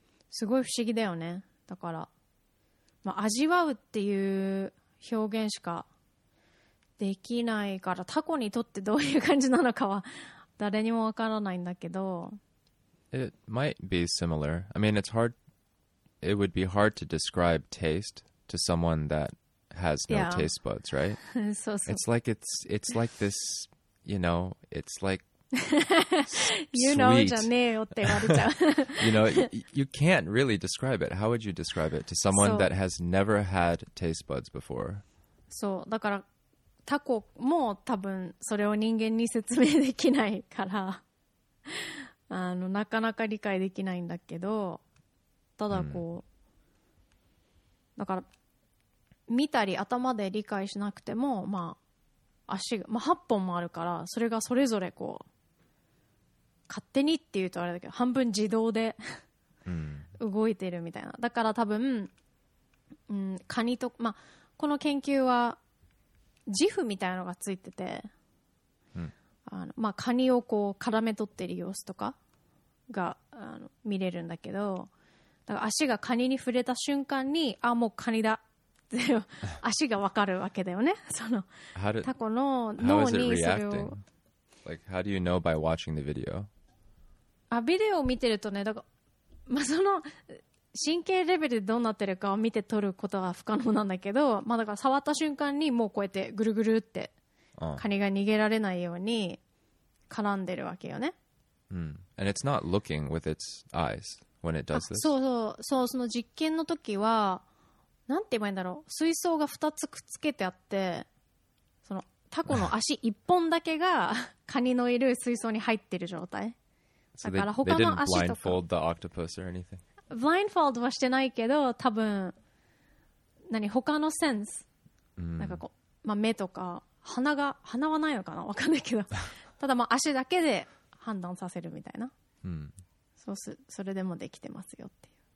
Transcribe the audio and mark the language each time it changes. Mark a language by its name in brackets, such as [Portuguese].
[Japanese] すごい不思議だよね。だから、まあ、味わうっていう表現しかできないから、タコにとってどういう感じなのかは誰にもわからないんだけど、 [English] It might be similar. I mean, it would be hard to describe taste to someone that has no taste buds, right? [Japanese] そうそう。 [English] It's like this, you know, it's like you know, [Japanese] じゃねえよって言われちゃう。 [English] You know, you can't really describe it. How would you describe it to someone that has never had taste buds before? [Japanese] そう、だからタコも多分それを人間に説明できないから、なかなか理解できないんだけど、ただこう、だから見たり頭で理解しなくても、まあ足が、まあ8本もあるから、それがそれぞれこう。勝手にって言うとあれだけど半分自動で動いてるみたいな。だから多分、カニと、まあ、この研究は自負みたいなのがついてて、まあ、カニをこう絡め取ってる様子とかが見れるんだけど、だから足がカニに触れた瞬間に、あ、もうカニだって足が分かるわけだよね。そのタコの脳にそれを。 [English] Like, how do you know by watching the video? [Japanese] あ、ビデオを見てるとね、だから、まあ、その神経レベルでどうなってるかを見て取ることは不可能なんだけど、まあ、だから触った瞬間にもうこうやってぐるぐるってカニが逃げられないように絡んでるわけよね。 Mm. [English] And it's not looking with its eyes when it does this. [Japanese] そうそうそう、その実験の時はなんて言えばいいんだろう、水槽が2つくっつけてあって、そのタコの足1本だけがカニのいる水槽に入ってる状態。だから他の足とか、 [English] they didn't blindfold the octopus or anything. [Japanese] Blindfold はしてないけど、多分何他のセンス、なんかこう、まあ、目とか鼻が、鼻はないのかな、わかんないけど、ただまあ足だけで判断させるみたいな、そうす、それでもできてますよっていう。